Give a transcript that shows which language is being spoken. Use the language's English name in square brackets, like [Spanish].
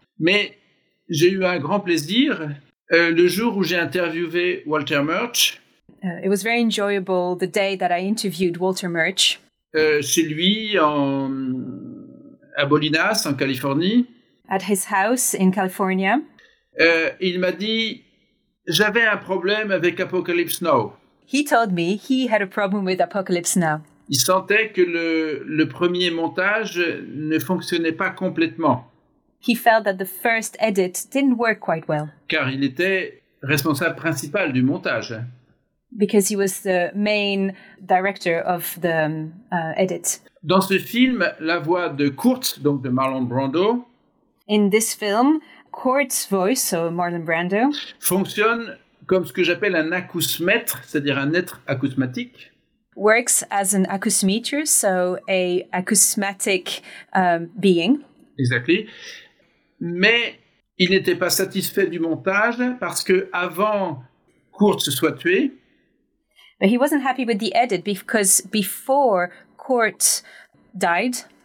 [French] Mais j'ai eu un grand plaisir le jour où j'ai interviewé Walter Murch. [English] It was very enjoyable the day that I interviewed Walter Murch. [French] Chez lui en à Bolinas en Californie. [English] At his house in California. [French] Il m'a dit j'avais un problème avec Apocalypse Now. [English] He told me he had a problem with Apocalypse Now. [French] Il sentait que le premier montage ne fonctionnait pas complètement. [English] He felt that the first edit didn't work quite well. [French] Car il était responsable principal du montage. [English] Because he was the main director of the edit. [French] Dans ce film, la voix de Kurtz, donc de Marlon Brando. [English] In this film, Kurtz's voice, so Marlon Brando. [French] Fonctionne comme ce que j'appelle un acousmètre, c'est-à-dire un être acousmatique. [English] Works as an acousmeter, so a acousmatic being. Exactly. [French] Mais il n'était pas satisfait du montage parce que avant Kurtz soit tué. [English] But he wasn't happy with the edit because before Kurtz died.